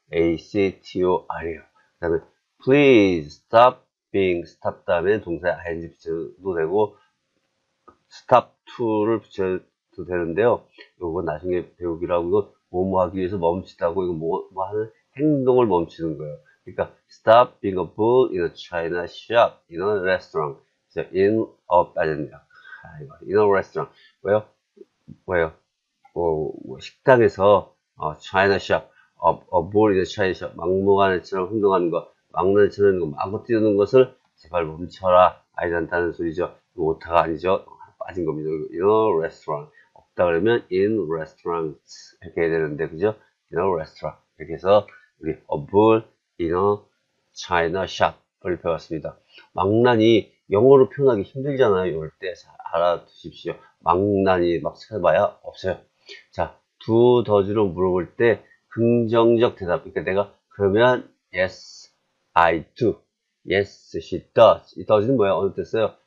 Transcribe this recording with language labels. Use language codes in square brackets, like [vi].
[ko] ACTO 아니에요. 그다음에 [en] please stop being [ko] stop 다음에 동사에 ing 붙여도 되고, stop to를 붙여도 되는데요. 요거 나중에 배우기로 하고, 뭐뭐 하기 위해서 멈추다고, 이거 뭐뭐 하는 행동을 멈추는 거예요. 그러니까 [en] stop being a bull in a China shop in a restaurant. [ko] 그래서 in a 빠졌네요. 이거 [en] in a restaurant. [ko] 왜요? 왜요? 식당에서 [en] China shop, a bull in a China shop. [ko] 막무가내처럼 흥동하는 거, 막내처럼 마구 뛰는 것을 제발 멈춰라. 아니란다는 소리죠. 오타가 아니죠. 빠진 겁니다. [en] In a restaurant. [ko] 없다 그러면 [en] in restaurants [ko] 이렇게 해야 되는데, 그죠? [en] In a restaurant. [ko] 이렇게 해서 우리 [en] a bull in a China shop [ko] 을 배웠습니다. 망나니 영어로 표현하기 힘들잖아요. 이럴 때잘 알아두십시오. 망나니 막 찾아봐야 없어요. 자, 두 더즈로 물어볼 때 긍정적 대답. 그러니까 내가 그러면 [en] yes, I do. yes, she does. [ko] 이 더즈는 뭐야? 어느 때 써요?